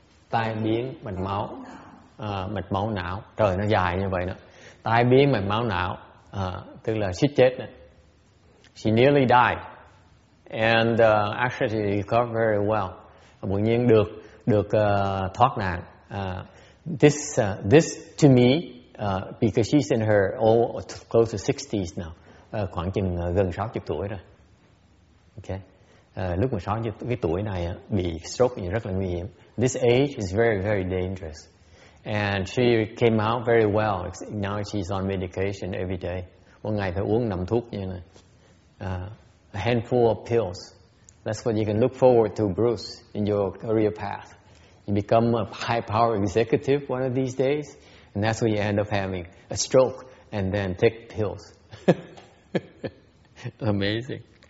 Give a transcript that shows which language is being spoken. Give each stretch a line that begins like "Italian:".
Vietnamese: Tai biến mạch máu. Mạch máu não. Trời nó dài như vậy đó. Tai biến mạch máu não. Tức là suýt chết đó.
English: She nearly died. And actually she recovered very well.
Vietnamese: Bỗng nhiên được thoát nạn.
English: This to me, because she's in her close to 60s now.
Vietnamese: Khoảng chừng gần 60 tuổi rồi. Okay. Lúc mà 60 cái tuổi này bị stroke thì rất là nguy hiểm.
English: This age is very, very dangerous. And she came out very well. Now she's on medication every day.
Vietnamese: Một ngày phải uống 5 thuốc như này.
English: A handful of pills. That's what you can look forward to, Bruce, in your career path. You become a high-power executive one of these days, and that's when you end up having a stroke and then take pills. Amazing.